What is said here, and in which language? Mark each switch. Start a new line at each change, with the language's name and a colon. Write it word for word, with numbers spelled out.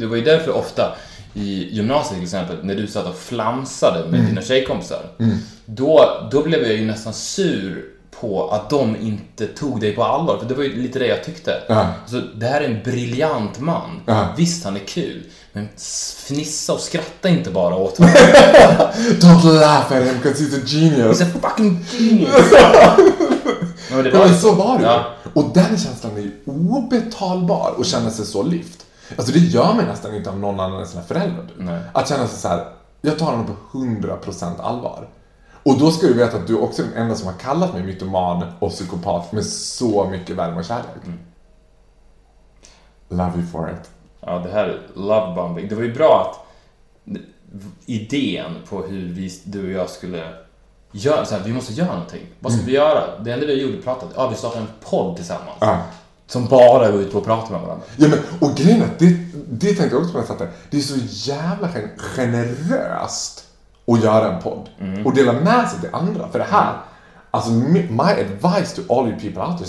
Swedish: Det var ju därför ofta i gymnasiet till exempel, när du satt och flamsade med mm. dina tjejkompisar. Mm. Då, då blev jag ju nästan sur på att de inte tog dig på allvar. För det var ju lite det jag tyckte. Uh-huh. Så det här är en briljant man. Uh-huh. Visst, han är kul. Men fnissa och skratta inte bara åt honom.
English: Don't laugh at him because he's a genius. He's a fucking genius.
Swedish: Men det var... Men så var det. Ja. Och den känslan är ju obetalbar. Och känna sig så lyft. Alltså det gör mig nästan inte av någon annan än sina föräldrar. Nej. Att känna sig så här. Jag tar honom på hundra procent allvar. Och då ska du veta att du också är den enda som har kallat mig mytoman och psykopat med så mycket värme och kärlek. Mm.
English: Love you for it.
Swedish: Ja, det här love bombing. Det var ju bra att idén på hur vi, du och jag skulle göra, så här, vi måste göra någonting. Vad ska mm. vi göra? Det enda vi gjorde pratade, ja, vi startade en podd tillsammans. Ja. Som bara går ut på att prata med varandra. Ja, men, och grejen är, det, det tänkte jag också på när jag satt där. Det är så jävla generöst. Och göra en podd. Mm. Och dela med sig till andra. För det här. Mm.
English: Alltså my advice to all you people out there.